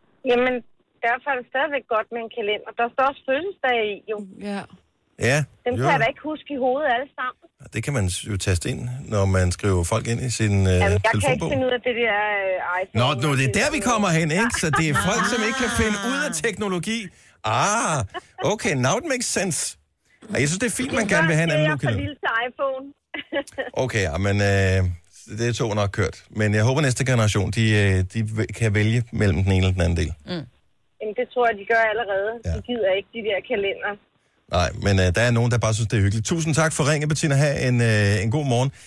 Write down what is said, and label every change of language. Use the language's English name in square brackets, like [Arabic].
[Danish] Jamen, derfor er det stadigvæk godt med en kalender. Der står også fødselsdag i, jo. Ja. Ja. Dem kan jeg da ikke huske i hovedet alle sammen. Det kan man jo taste ind, når man skriver folk ind i sin telefonbog. Jeg kan ikke finde ud af det der iPhone. Nå, det er der, vi kommer hen, ikke? Så det er folk, som ikke kan finde ud af teknologi. [English] Ah, okay, now it makes sense. [Danish] Jeg synes, det er fint, man gerne vil have en anden kalender. Det er for lille til iPhone. Okay, men... Det er to nok kørt. Men jeg håber, næste generation, de kan vælge mellem den ene eller den anden del. Mm. Det tror jeg, de gør allerede. Ja. De gider ikke de der kalender. Nej, men der er nogen, der bare synes, det er hyggeligt. Tusind tak for ringe, Bettina. Ha' en god morgen.